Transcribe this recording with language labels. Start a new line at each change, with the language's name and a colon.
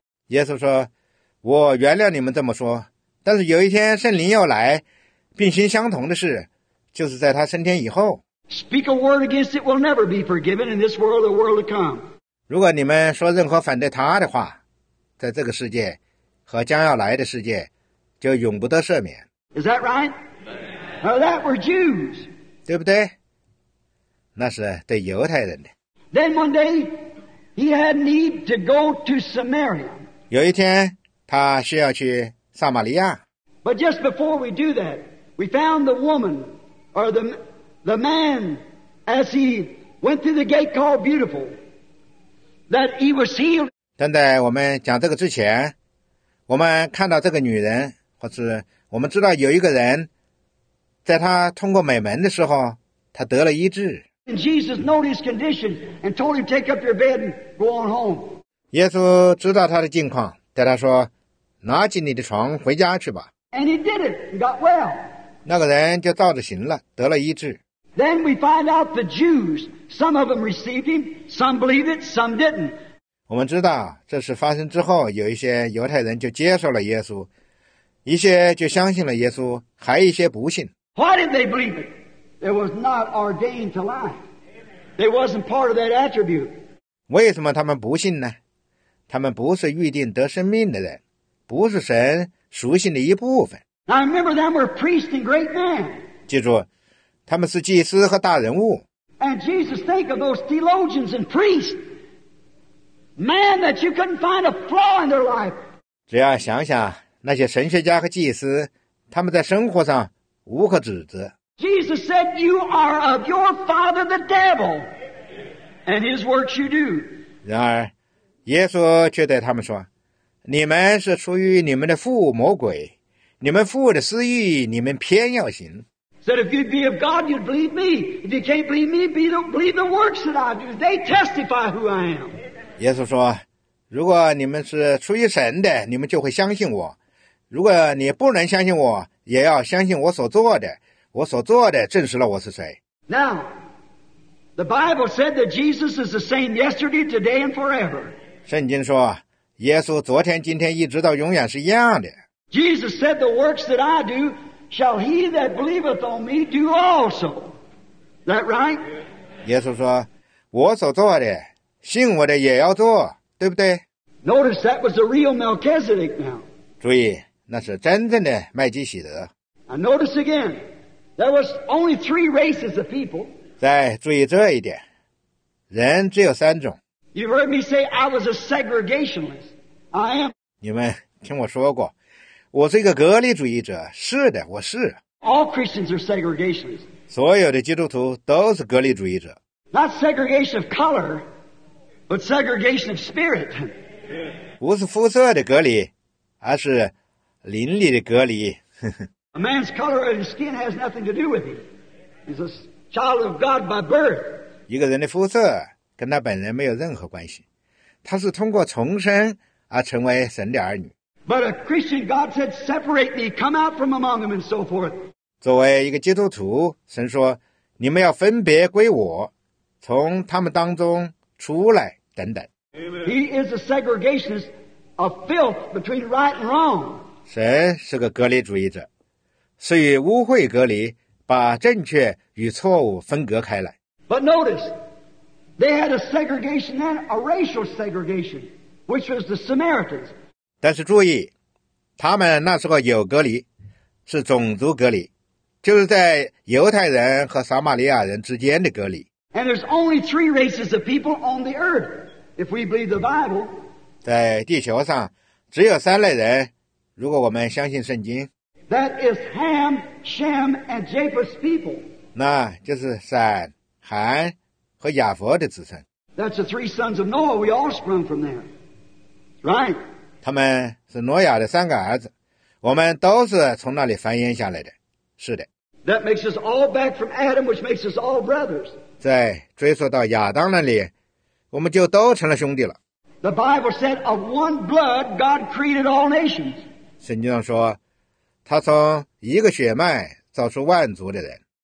Chinese: 耶稣说我原谅你们这么说，但是有一天圣灵要来并行相同的事，就是在他升天以后。
English: Speak a word against it will never be forgiven in this world or the world to come.
Chinese: 如果你们说任何反对他的话，在这个世界和将要来的世界就永不得赦免。
English: Is that right? Now that were Jews.
Chinese: 对不对？那是对犹太人的。
English: Then one day, he had need to go to Samaria.
Chinese: 有一天他需要去撒玛利亚。
English: But just before we do that, we found the woman, or the man, as he went through the gate called Beautiful, that he was healed.
Chinese: 但在我们讲这个之前，我们看到这个女人，或是我们知道有一个人，在他通过美门的时候，他得了医治。
English: And Jesus knew his condition and told him, "Take up your bed and go on home."
Chinese: 耶稣知道他的境况，对他说，拿起你的床回家去吧。
English: And he did it and got well.
Chinese: 那个人就照着行了，得了医治。
English: Then we find out the Jews, some of them received him, some believed it, some didn't.
Chinese: 我们知道这事发生之后，有一些犹太人就接受了耶稣，一些就相信了耶稣，还一些不信。
English: Why did they believe it? It was not ordained to life. They wasn't part of that attribute.
Chinese: 为什么他们不信呢？他们不是预定得生命的人，不是神属性的一部分。
English: I remember them were priests and great men.
Chinese: 记住，他们是祭司和大人物。
English: And Jesus, think of those theologians and priests, man that you couldn't find a flaw in their life.
Chinese: 只要想想那些神学家和祭司，他们在生活上无可指责。
English: Jesus said, "You are of your father the devil, and his works you do."
Chinese: 然而，耶稣却对他们说。你们是出于你们的父魔鬼，你们父的私欲，你们偏要行。
English: Said if you'd be of God, you'd believe me. If you can't believe me, believe the works that I do. They testify who I am.
Chinese: 耶稣说，如果你们是出于神的，你们就会相信我；如果你不能相信我，也要相信我所做的。我所做的证实了我是谁。
English: Now, the Bible said that Jesus is the same yesterday, today, and forever.
Chinese: 圣经说。耶稣昨天今天一直到永远是一样的。
English: Jesus said the works that I do shall he that believeth on me do also. That right?
Chinese: 耶稣说我所做的信我的也要做，对不对？
English: Notice that was a real Melchizedek now.
Chinese: 注意那是真正的麦基洗德。
English: And notice again there was only three races of people.
Chinese: 再注意这一点，人只有三种。
English: You've heard me say I was a segregationist. I am.
Chinese: 你们听我说过，我是一个隔离主义者。是的，我是。
English: All Christians are segregationists.
Chinese: 所有的基督徒都是隔离主义者。
English: Not segregation of color, but segregation of spirit.
Chinese: 不是肤色的隔离，而是灵里的隔离。
English: A man's color of his skin has nothing to do with him. He's a child of God by birth.
Chinese: 一个人的肤色跟他本人没有任何关系，他是通过重生而成为神的儿女。
English: But a Christian, God said, "Separate me, come out from among them, and so forth."
Chinese: 作为一个基督徒，神说你们要分别归我，从他们当中出来等等。
English: He is a segregationist, a filth between right and wrong.
Chinese: 神是个隔离主义者，是与污秽隔离，把正确与错误分隔开来。
English: But notice. They had a segregation then, a racial segregation, which was the Samaritans.
Chinese: 但是注意，他们那时候有隔离，是种族隔离，就是在犹太人和撒玛利亚人之间的隔离。
English: And there's only three races of people on the earth, if we believe the Bible.
Chinese: 在地球上只有三类人，如果我们相信圣经。
English: That is Ham, Shem, and Japheth's people.
Chinese: 那就是闪、韩和亚佛的子孙。
English: That's the three sons of Noah. We all sprung from there, right?
Chinese: 他们是挪亚的三个儿子，我们都是从那里繁衍下来的。是的。
English: That makes us all back from Adam, which makes us all brothers.
Chinese: 在追溯到亚当那里，我们就都成了兄弟了。
English: The Bible said, "Of one blood, God created all nations."
Chinese: 圣经上说，他从一个血脉造出万族的人。